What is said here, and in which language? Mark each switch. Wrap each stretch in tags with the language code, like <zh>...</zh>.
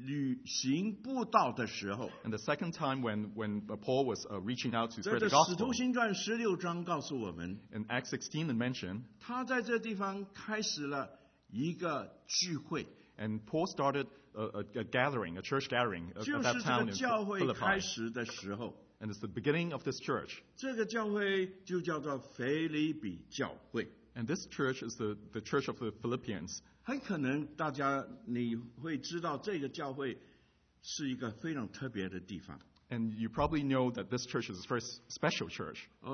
<zh>保罗在第二次旅行布道的时候,</zh> <en>and the second time when Paul was reaching out to spread the gospel,</en> <zh>使徒行传16章告诉我们,</zh> <en>in Acts 16 it mentioned,</en> <zh>他在这地方开始了一个聚会,</zh> <en>and Paul started a gathering, a church gathering of that town in Philippi. And it's the beginning of this church. And this church is the church of the Philippians. And you probably know that this church is a very special church.</en>